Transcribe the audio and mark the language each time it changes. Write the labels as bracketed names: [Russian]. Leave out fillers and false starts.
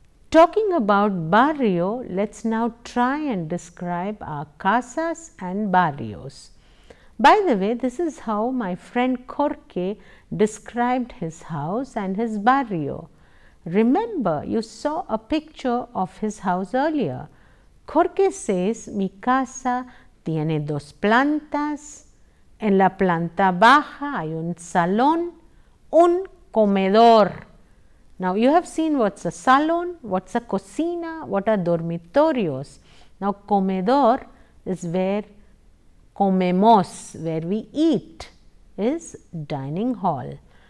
[English] Talking about barrio, let's now try and describe our casas and barrios. By the way, this is how my friend Jorge described his house and his barrio. Remember, you saw a picture of his house earlier. [Spanish] Jorge says, mi casa tiene dos plantas, En la planta baja hay un salón, un comedor. [English] Now you have seen what's a salón, what's a cocina, what are dormitorios. Now comedor is where comemos, where we eat, is dining hall.